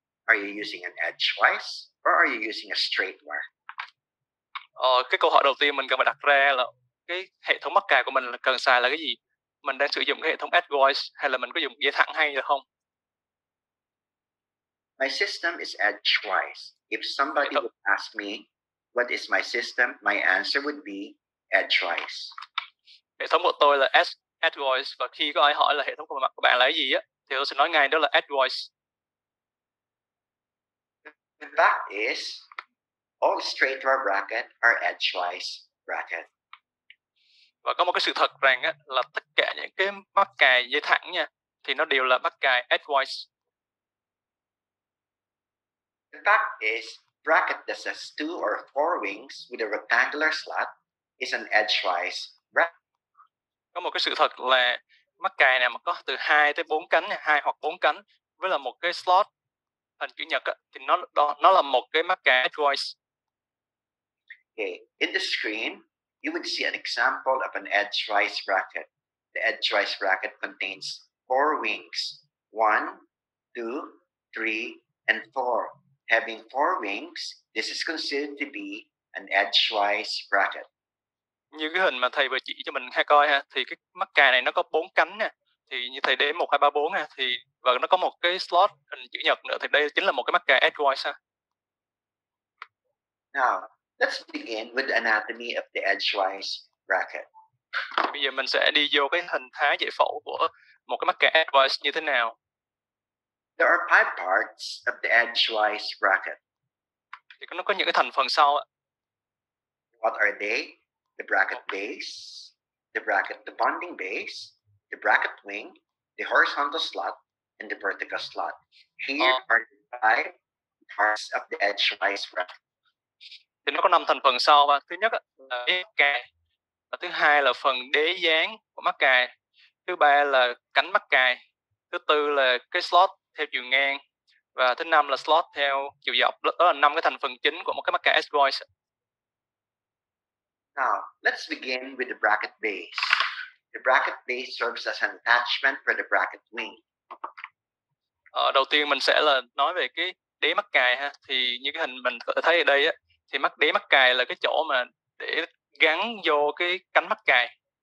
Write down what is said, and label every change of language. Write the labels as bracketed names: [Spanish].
[English] Are you using an edgewise or are you using a straight wire? [Vietnamese] Cái câu hỏi đầu tiên mình cần phải đặt ra là cái hệ thống mắc cài của mình cần xài là cái gì? Mình đang sử dụng cái hệ thống edgewise hay là mình có dùng dây thẳng hay là không? [English] My system is edgewise. If somebody would ask me, what is my system? My answer would be edgewise. [Vietnamese] Hệ thống của tôi là edgewise, và khi có ai hỏi là hệ thống của bạn là cái gì á, thì tôi sẽ nói ngay đó là edgewise. [English] The fact is, all straight wire brackets are edgewise brackets. [Vietnamese] Và có một cái sự thật rằng á, là tất cả những cái mắc cài dây thẳng nha, thì nó đều là mắc cài edgewise. [English] The fact is, bracket that has two or four wings with a rectangular slot is an edgewise bracket. [Vietnamese] Có một cái sự thật là mắc cài này mà có từ 2 tới 4 cánh, 2 hoặc 4 cánh với là một cái slot hình chữ nhật á, thì nó là một cái mắc cài edgewise. [English] Okay, in the screen, you would see an example of an edgewise bracket. The edgewise bracket contains four wings, 1, 2, 3, and 4. Having four wings, this is considered to be an edgewise bracket. [Vietnamese] Như cái hình mà thầy vừa chỉ cho mình hay coi ha, thì cái mắc cài này nó có bốn cánh nè. Thì như thầy đếm 1, 2, 3, 4 ha, thì và nó có một cái slot hình chữ nhật nữa, thì đây chính là một cái mắc cài edgewise ha. [English] Now, let's begin with the anatomy of the edgewise bracket. [Vietnamese] Bây giờ mình sẽ đi vô cái hình thái giải phẫu của một cái mắc cài edgewise như thế nào. [English] There are five parts of the edgewise bracket. [Vietnamese] thì nó có những cái thành phần sau ạ. [English] What are they? The bracket base, the bracket, the bonding base, the bracket wing, the horizontal slot, and the vertical slot. Here are the five parts of the edgewise bracket. [Vietnamese] Thì nó có năm thành phần sau ạ. Thứ nhất là mắc cài, và thứ hai là phần đế dán của mắc cài, thứ ba là cánh mắc cài, thứ tư là cái slot theo chiều ngang, và thứ năm là slot theo chiều dọc. Đó là năm cái thành phần chính của một cái mắc cài edgewise. [English] Now, let's begin with the bracket base. The bracket base serves as an attachment for the bracket wing. [Vietnamese] Đầu tiên mình sẽ là nói về cái đế mắc cài ha. Thì như cái hình mình có thể thấy ở đây á, thì mắc đế mắc cài là cái chỗ mà để gắn vô cái cánh mắc cài.